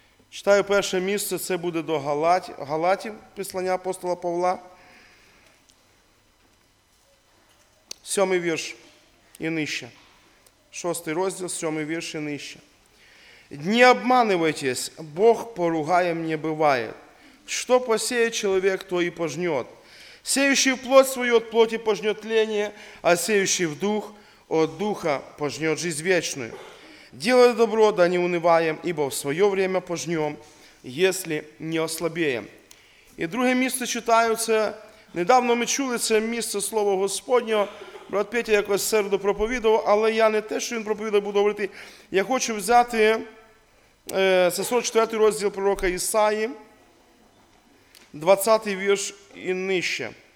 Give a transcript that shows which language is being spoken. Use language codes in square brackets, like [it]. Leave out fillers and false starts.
[uk] Читаю перше місце, це буде до Галатів, послання апостола Павла. Сьомий вірш і нижче. Шостий розділ, сьомий вірш і нижче. [ru] «Не обманывайтесь, Бог поругаем не бывает. Что посеет человек, то и пожнет. Сеющий в плоть свою от плоти пожнет тление, а сеющий в дух от духа пожнет жизнь вечную». Делай добро, да не унываем, ибо в свое время пожнем, если не ослабеем. [uk] И друге місце читаю, це недавно ми чули це місце Слова Господнього. Брат Петя якось середу проповідував, але я не те, що він проповідав, буду говорити. Я хочу взяти це 44 розділ пророка Ісаї, 20 вірш і нижче.